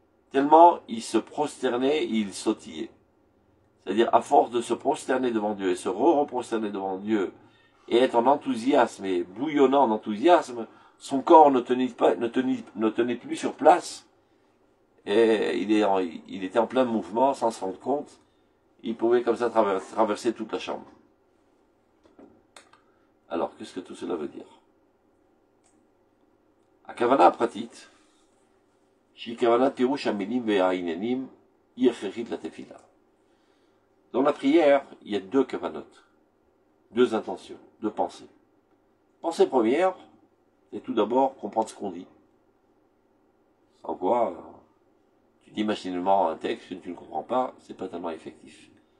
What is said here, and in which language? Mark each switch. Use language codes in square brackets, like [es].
[fr] Tellement il se prosternait et il sautillait. C'est-à-dire, à force de se prosterner devant Dieu et se re-prosterner devant Dieu et être en enthousiasme et bouillonnant en enthousiasme, son corps ne tenait plus sur place et il était en plein mouvement sans se rendre compte. Il pouvait comme ça traverser toute la chambre. Alors, qu'est-ce que tout cela veut dire? [he] הכוונה הפרטית, שהיא כוונת פירוש המילים והעניינים, היא הכרחית לתפילה. [fr] Dans la prière, il y a deux כוונות, deux intentions, deux pensées. Pensée première, c'est tout d'abord comprendre ce qu'on dit. Sans quoi, tu dis machinalement un texte que tu ne comprends pas, c'est pas tellement effectif.